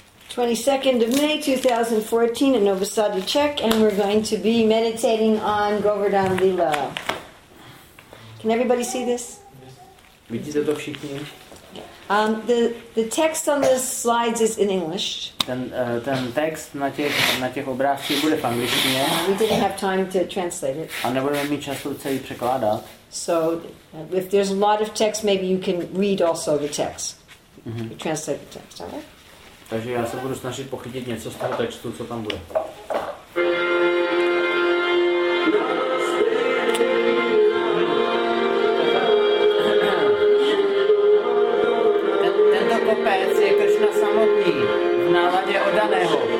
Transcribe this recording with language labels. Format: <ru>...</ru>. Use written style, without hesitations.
<en>22nd of May 2014, in Novosadi Czech, and we're going to be meditating on Govardhan Lila. Can everybody see this?</en> <cs>Vidíte to všichni?</cs> <en>The text on the slides is in English.</en> <cs>Ten text na těch obrázcích bude v angličtině.</cs> <en>We didn't have time to translate it.</en> <cs>A nebudeme mít času celý překládat.</cs> <en>So if there's a lot of text, maybe you can read also the text. Mm-hmm. Translate the text, all right?</en> <cs>Takže já se budu snažit pochytit něco z toho textu, co tam bude. Tento kopec je Kršna samotný v náladě oddaného.</cs>